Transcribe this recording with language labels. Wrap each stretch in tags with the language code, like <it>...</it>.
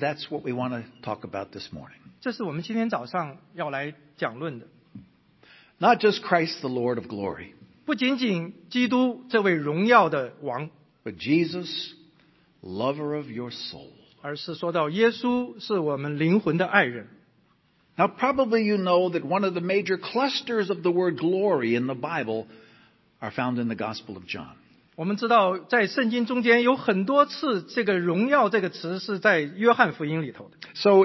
<en>that's what we want to talk about this morning.</en> <zh>这是我们今天早上要来讲论的。</zh> <en>Not just Christ the Lord of glory.</en> <zh>不仅仅基督这位荣耀的王。</zh> <en>But Jesus, lover of your soul.</en> <zh>而是说到耶稣是我们灵魂的爱人。</zh> <en>Now probably you know that one of the major clusters of the word glory in the Bible are found in the Gospel of John.</en> <zh>我们知道在圣经中间有很多次这个荣耀这个词是在约翰福音里头的。</zh> <en>So</en>